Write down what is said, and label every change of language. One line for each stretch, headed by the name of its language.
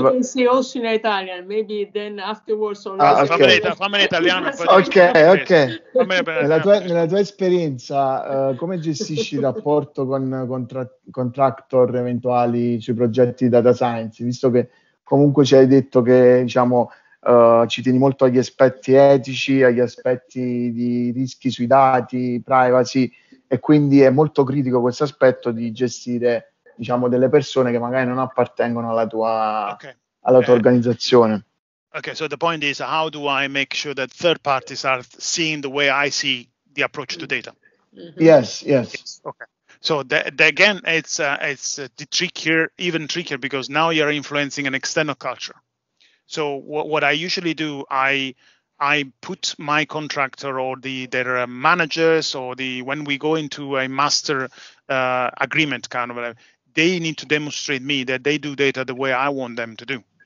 English: you can say also in Italian, maybe then afterwards.
Italian: Fammi italiano. Ok. Nella tua esperienza, come gestisci il rapporto con contractor eventuali sui progetti di data science? Visto che comunque ci hai detto che diciamo ci tieni molto agli aspetti etici, agli aspetti di rischi sui dati, privacy, e quindi è molto critico questo aspetto di gestire, diciamo, delle persone che magari non appartengono alla tua, alla tua organizzazione.
English: Okay, so the point is, how do I make sure that third parties are seeing the way I see the approach to data? Yes. Okay. So again, it's the trickier, even trickier, because now you're influencing an external culture. So what I usually do, I put my contractor or their managers, or when we go into a master agreement kind of, they need to demonstrate me that they do data the way I want them to do.